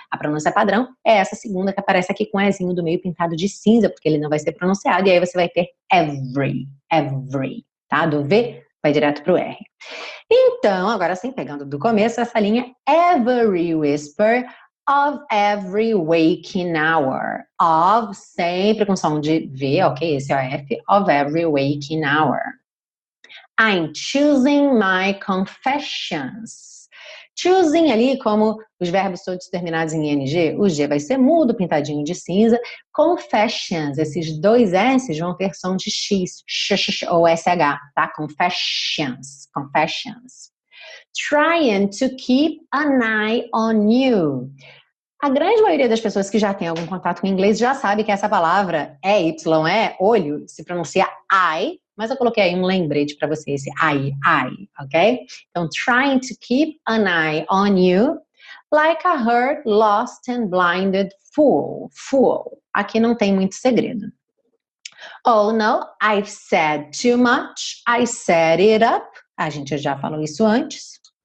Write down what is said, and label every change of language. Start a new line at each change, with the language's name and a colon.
Portuguese: A pronúncia padrão é essa segunda que aparece aqui com o ezinho do meio pintado de cinza, porque ele não vai ser pronunciado, e aí você vai ter every, every, tá? Do V vai direto pro R. Então, agora sim, pegando do começo, essa linha
English: every whisper of every waking hour.
Portuguese: Of, sempre com som de V, ok? Esse é o F,
English: of every waking hour. I'm choosing my confessions.
Portuguese: Choosing ali, como os verbos todos terminados em ing, o G vai ser mudo, pintadinho de cinza. Confessions, esses dois S vão ter som de X, ou SH, tá?
English: Confessions, confessions. Trying to keep an eye on you.
Portuguese: A grande maioria das pessoas que já tem algum contato com inglês já sabe que essa palavra é Y, é olho, se pronuncia I. Mas eu coloquei aí um lembrete para você, esse I, ok?
English: Então, trying to keep an eye on you, like a hurt, lost and blinded fool.
Portuguese: Aqui não tem muito segredo.
English: Oh no, I've said too much, I set it up.
Portuguese: A gente já falou isso antes.